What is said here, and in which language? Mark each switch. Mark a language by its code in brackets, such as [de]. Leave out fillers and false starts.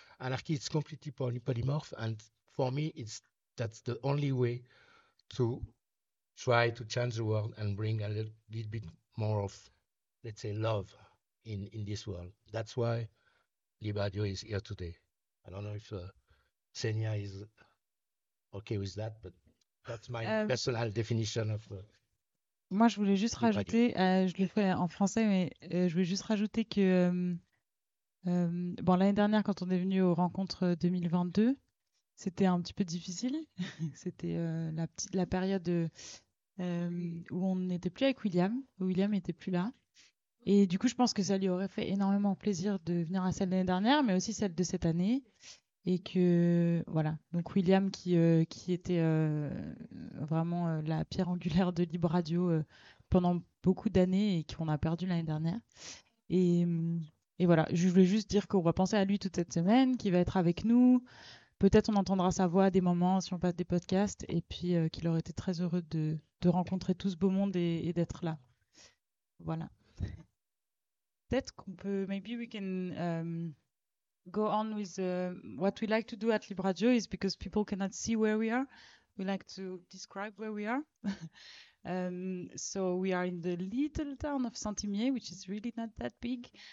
[en] Anarchy is completely polymorph, and for me that's the only way to try to change the world and bring a little bit more of, let's say, love in this world. That's why Libre Radio is here today. I don't know if Senia is okay with that, but that's my personal definition of [fr] Moi, je voulais juste rajouter, je le fais en français, mais je voulais juste rajouter que l'année dernière, quand on est venu aux rencontres 2022, c'était un petit peu difficile. C'était la période où on n'était plus avec William, où William n'était plus là. Et du coup, je pense que ça lui aurait fait énormément plaisir de venir à celle l'année dernière, mais aussi celle de cette année. Et que, voilà. Donc, William, qui était vraiment la pierre angulaire de Libre Radio pendant beaucoup d'années et qu'on a perdu l'année dernière. Et voilà, je voulais juste dire qu'on va penser à lui toute cette semaine, qu'il va être avec nous. Peut-être on entendra sa voix à des moments si on passe des podcasts. Et puis, qu'il aurait été très heureux de rencontrer tout ce beau monde et d'être là. Voilà. Peut-être qu'on peut, [en] maybe we can go on with what we like to do at Libre Radio is because people cannot see where we are. We like to describe where we are. So we are in the little town of Saint-Imier, which is really not that big.